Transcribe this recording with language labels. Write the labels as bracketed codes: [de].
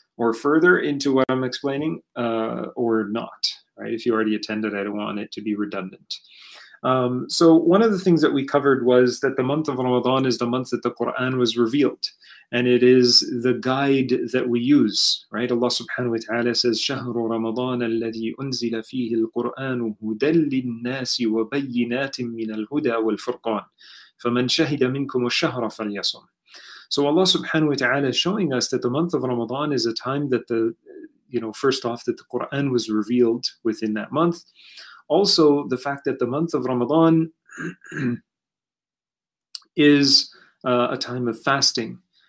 [en] or further into what I'm explaining or not, right? If you already attended, I don't want it to be redundant. So one of the things that we covered was that the month of Ramadan is the month that the Quran was revealed. And it is the guide that we use, right? Allah subhanahu wa ta'ala says, [ar] شَهْرُ رَمَضَانَ الَّذِي أُنزِلَ فِيهِ الْقُرْآنُ هُدًى لِلنَّاسِ وَبَيِّنَاتٍ مِّنَ الْهُدَى وَالْفُرْقَانِ فَمَنْ شَهِدَ مِنْكُمُ الشَّهْرَ فَلْيَصُمْ. [en] So Allah subhanahu wa ta'ala is showing us that the month of Ramadan is a time that the, you know, first off, that the Quran was revealed within that month. Also, the fact that the month of Ramadan is a time of fasting.